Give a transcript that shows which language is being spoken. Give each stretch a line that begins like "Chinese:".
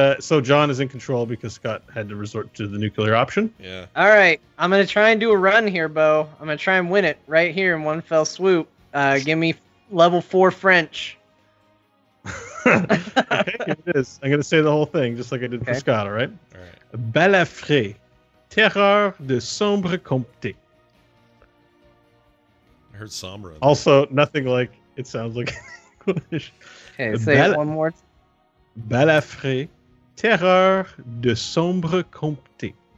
English: So John is in control because Scott had to resort to the nuclear option. Yeah. All right. I'm going to try and do a run here, Bo. I'm going to try and win it right here in one fell swoop. Give me level 4 French. Okay, here it is. I'm going to say the whole thing just like I did for Scott, alright? All right.
French: Balafré, terreur de sombre comté.
English: I heard sombre. Also, nothing like it sounds like English. Okay, say it one more.
French: Balafré, terreur de sombre comté.